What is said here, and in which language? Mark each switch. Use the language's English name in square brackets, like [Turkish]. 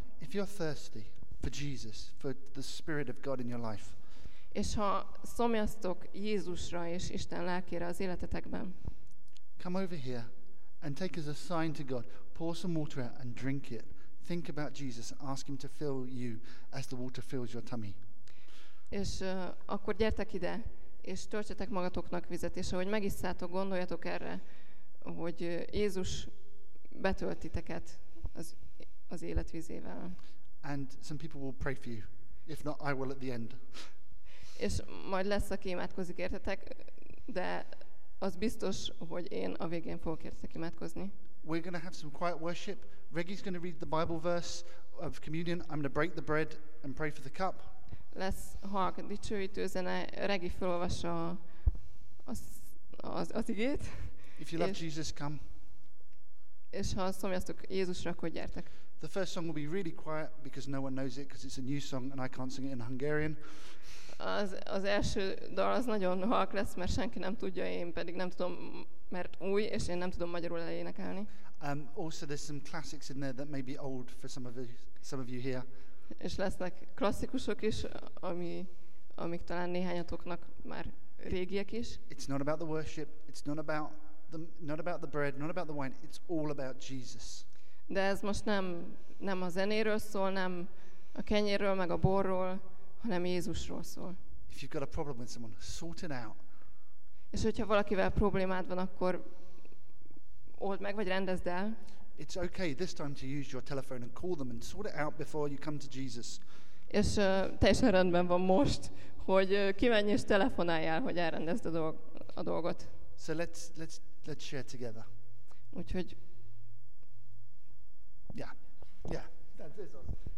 [English] If you're thirsty for Jesus, for the Spirit of God in your life. [Hungarian] És ha szomjaztok Jézusra és Isten lelkére az életetekben. [English] Come over here and take as a sign to God. Pour some water out and drink it. think about Jesus and ask him to fill you as the water fills your tummy. [Hungarian] És akkor gyertek ide, és töltsetek magatoknak vizet, és ahogy megisszátok, gondoljatok erre, hogy Jézus betöltiteket az életvizével. [English] And some people will pray for you. If not, I will at the end. [Hungarian] És majd lesz, aki imádkozik értetek, de az biztos, hogy én a végén fogok értetek imádkozni. [English] We're going to have some quiet worship. Reggie's going to read the Bible verse of communion. I'm going to break the bread and pray for the cup. [Hungarian] Lesz halk dicsőítő zene, Regi felolvassa az igét. [English] If you love Jesus, come. [Hungarian] És ha szomjaztok Jézusra, akkor gyertek. [English] The first song will be really quiet because no one knows it because it's a new song and I can't sing it in Hungarian. [Hungarian] Az első dal az nagyon halk lesz, mert senki nem tudja, én pedig nem tudom, mert új, és én nem tudom magyarul elénekelni. [English] Also there's some classics in there that may be old for some of you here. [Hungarian] És lesznek klasszikusok is, amik talán néhányatoknak már régiek is. [English] It's not about the worship, it's not about the bread, not about the wine, it's all about Jesus. [Hungarian] De ez most nem a zenéről szól, nem a kenyérről, meg a borról, hanem Jézusról szól. [English] If you've got a problem with someone, sort it out. [Hungarian] És hogyha valakivel problémád van, akkor old meg, vagy rendezd el. [English] It's okay this time to use your telephone and call them and sort it out before you come to Jesus. [Hungarian] És teljesen rendben van most, hogy kimenj és telefonáljál, hogy elrendezd a dolgot. [English] So let's share together. [Hungarian] Úgyhogy [English] Yeah. That is awesome.